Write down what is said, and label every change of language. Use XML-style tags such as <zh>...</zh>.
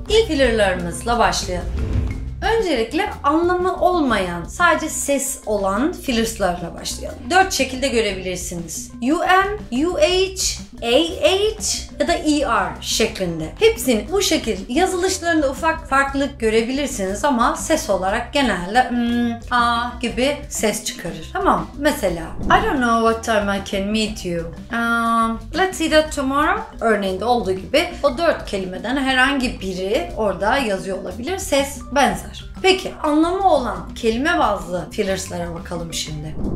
<tr>İlk fillerlarımızla başlayalım. Öncelikle anlamı olmayan, sadece ses olan fillerslarla başlayalım. 4 şekilde görebilirsiniz. UM, UH, AH ya da ER şeklinde. Hepsini bu şekil yazılışlarında ufak farklılık görebilirsiniz ama ses olarak genelde a gibi ses çıkarır. Tamam.</tr> <en>Mesela I don't know what time I can meet you. Let's see that tomorrow.</en> <tr>Örneğinde olduğu gibi o 4 kelimeden herhangi biri orada yazıyor olabilir. Ses benzer. Peki anlamı olan kelime bazlı fillerslara bakalım şimdi.</tr>